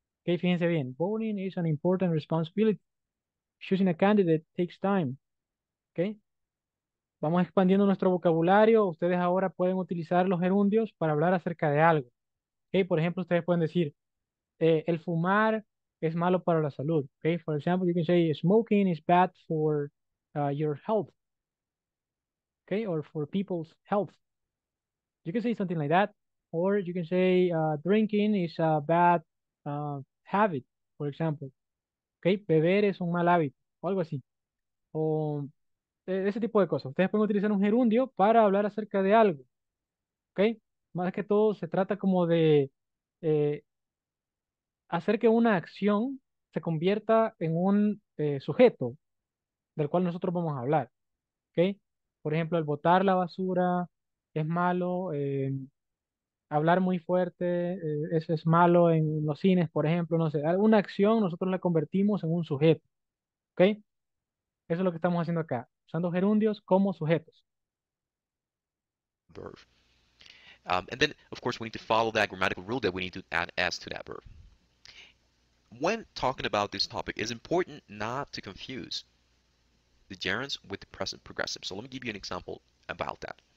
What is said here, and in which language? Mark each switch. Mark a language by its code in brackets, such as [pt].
[en] Ok, [es] fíjense bien. [en] Voting is an important responsibility. Choosing a candidate takes time. Ok. [es] Vamos expandiendo nuestro vocabulario. Ustedes ahora pueden utilizar los gerundios para hablar acerca de algo. Ok, por ejemplo, ustedes pueden decir, el fumar es malo para la salud. [en] Ok, for example, you can say, smoking is bad for your health. Ok, or for people's health. You can say something like that. Or you can say, drinking is a bad habit, for example. [es] Okay, beber es un mal hábito, o algo así. O ese tipo de cosas. Ustedes pueden utilizar un gerundio para hablar acerca de algo. Okay? Más que todo, se trata como de hacer que una acción se convierta en un sujeto del cual nosotros vamos a hablar. Okay? Por ejemplo, el botar la basura es malo. Hablar muy fuerte, eso es malo en los cines, por ejemplo, no sé. Alguna acción nosotros la convertimos en un sujeto, ¿ok? Eso es lo que estamos haciendo acá, usando gerundios como sujetos. [en] Verb. And then, of course, we need to follow that grammatical rule that we need to add S to that verb. When talking about this topic, it's important not to confuse the gerunds with the present progressive. So let me give you an example about that.